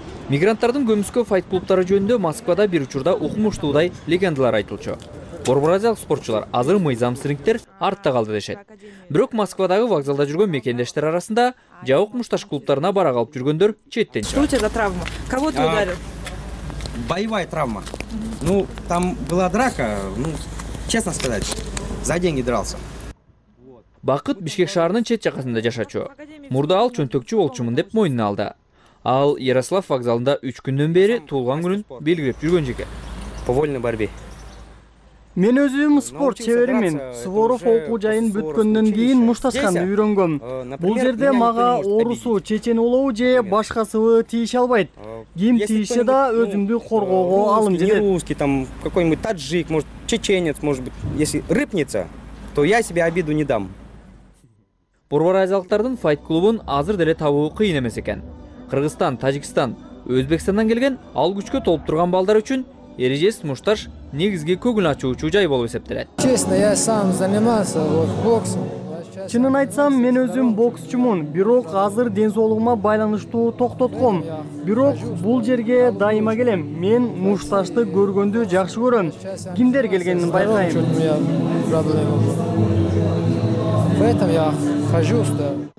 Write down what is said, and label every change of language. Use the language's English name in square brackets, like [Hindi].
[Kyrgyz] Мигранттардын көмүскө файт клубтары жөнүндө Москвада бир учурда укмуштуудай легендалар айтылчу. Борбор Азиялык спортчулар азыр мыйзамсыз рингтер артта калды дешет. Бирок Москвадагы вокзалда жүргөн мекендештер арасында жабык мушташ клубтарына бара калып жүргөндөр четтен чыга. [Russian] Что у тебя за травма? Кого ты ударил? Боевая травма. Ну, там была драка, ну, честно сказать, за деньги дрался. [Kyrgyz] Бакыт Бишкек шаарынын чет жакасында жашачу. Мурда ал чөнтөкчү болчумун деп мойнуна алды. Ал Ярослав вокзалында 3 күндөн бери туулган күнүн белгилеп жүргөн жекен. [Russian] По вольной борьбе. [Kyrgyz] Мен өзүм спорт чебери мен. Суворов окуу жайын бүткөндөн кийин мушташканды үйрөнгөм. Бул жерде мага орусу, чечен улуу же башкасы тийише албайт. Ким тийишсе да өзүмдү коргоого алым жетет. [Russian] Русский там какой-нибудь таджик, может чеченец, может быть, если рыпнется, то я себе обиду не дам. [Kyrgyz] Борбор Азиялыктардын файт клубун азыр деле табуу кыйын эмес экен. Кыргызстан, Тажикстан, Өзбекстандан келген ал күчкө толуп турган балдар үчүн эрежесиз мушташ негизги көңүл ачуучу жай болуп эсептелет. [Russian] Честно, я сам занимался боксом. [Kyrgyz] Чынын айтсам, мен өзүм боксчумун, бирок азыр ден соолугума байланыштуу токтотком. Бирок бул жерге дайыма келем. Мен мушташты көргөндү жакшы көрөм. Кимдер келгенин байкайм. [Russian] Поэтому я хожу сюда.